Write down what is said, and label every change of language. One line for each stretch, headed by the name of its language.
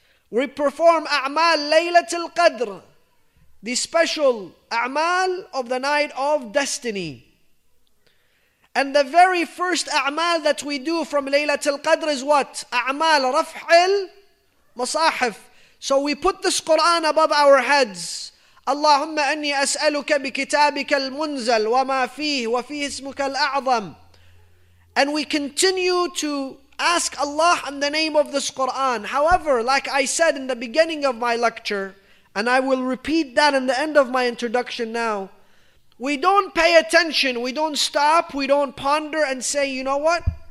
English: We perform A'mal Laylatul Qadr, the special A'mal of the Night of Destiny. And the very first A'mal that we do from Laylatul Qadr is what? A'mal Raf'il Masahif. So we put this Quran above our heads.
Arabic: اللهم أني أسألك بكتابك المنزل وما فيه وفيه اسمك الأعظم.
English: And we continue to ask Allah in the name of this Quran. However, like I said in the beginning of my lecture, and I will repeat that in the end of my introduction now, we don't pay attention, we don't stop, we don't ponder and say, you know what?